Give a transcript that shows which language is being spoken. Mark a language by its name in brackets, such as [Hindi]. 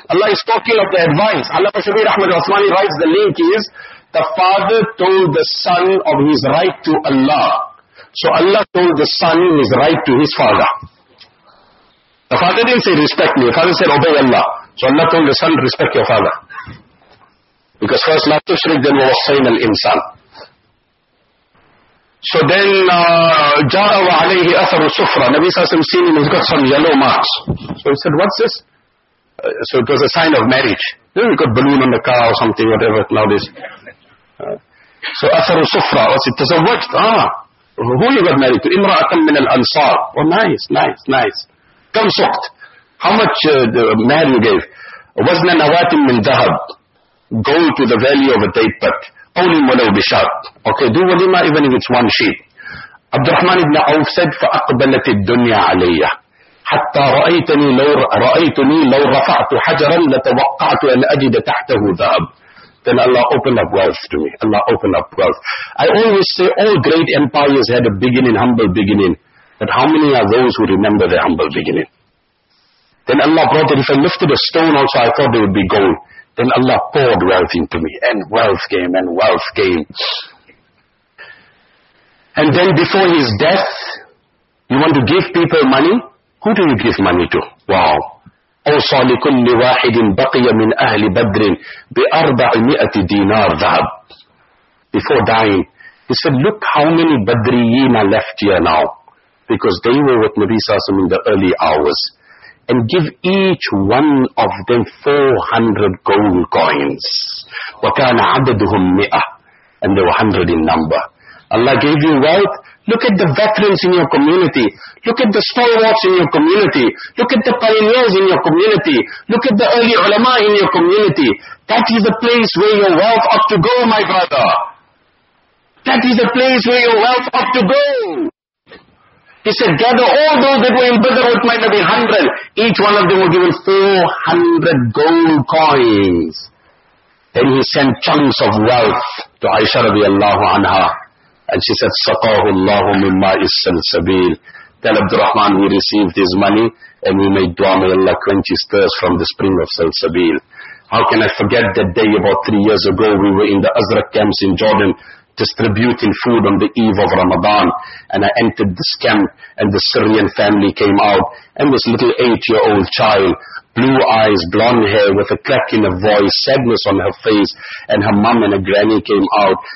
[English] Allah is talking of the advice. Allah Shabir Ahmad Uthmani writes, the link is, the father told the son of his right to Allah. So Allah told the son his right to his father. The father didn't say respect me. The father said obey Allah. So Allah told the son, respect your father. Because first, [Arabic] لا تشرك [English] then [Arabic] وصين الإنسان. [English] So then, [Arabic] جَاءَ وَعَلَيْهِ أَثَرُ السُّفْرَ. [English] Nabi Sallallahu Alaihi Wasallam seen him, he's got some yellow marks. So he said, what's this? So it was a sign of marriage. You know, you got balloon on the car or something, whatever nowadays. So Athar al-Sufra, what's it? Tazawwajt. Who you got married to? [Arabic] Imra'atan min al-Ansar. [English] Oh, nice. [Arabic] Kam suqt. [English] How much marriage you gave? [Arabic] وزن نوات من ذهب. [English] Go to the valley of a date pit. Only [Arabic] ولو بشات. [English] Okay, do walima even if it's one sheep. [Arabic] عبد الرحمن بن عوف [English] said, [Arabic] فأقبلت الدنيا علي حتى رأيتني لو رفعت حجرا لتوقعت أن أجد تحته ذهب. [English] Then Allah opened up wealth to me. Allah opened up wealth. I always say all great empires had a beginning, humble beginning. But how many are those who remember their humble beginning? Then Allah brought that if I lifted a stone also, I thought there would be gold. Then Allah poured wealth into me. And wealth came. And then before his death, you want to give people money? Who do you give money to? Wow. [Arabic] أوصى لكل واحد بقي من أهل بدر بأربعمائة دينار ذهب. [English] Before dying, he said, look how many Badriyin are left here now. Because they were with Nabi Sallallahu Alaihi Wasallam in the early hours. And give each one of them 400 gold coins. [Arabic] وكان عددهم مئة. [English] And they were 100 in number. Allah gave you wealth. Look at the veterans in your community. Look at the stalwarts in your community. Look at the pioneers in your community. Look at the early ulama in your community. That is the place where your wealth ought to go, my brother. That is the place where your wealth ought to go. He said, gather all those that were in Badr with my Nabi, 100. Each one of them were given 400 gold coins. Then he sent chunks of wealth to Aisha radiallahu anha. And she said, [Arabic] سَقَاهُ اللَّهُ مِمَّا إِسَّ السَّبِيلِ. [English] Then Abdul Rahman, he received his money, and we made dua, may Allah quench his thirst from the spring of Salsabil. How can I forget that day about 3 years ago, we were in the Azraq camps in Jordan, distributing food on the eve of Ramadan. And I entered this camp, and the Syrian family came out, and this little eight-year-old child, blue eyes, blonde hair, with a crack in her voice, sadness on her face, and her mum and her granny came out.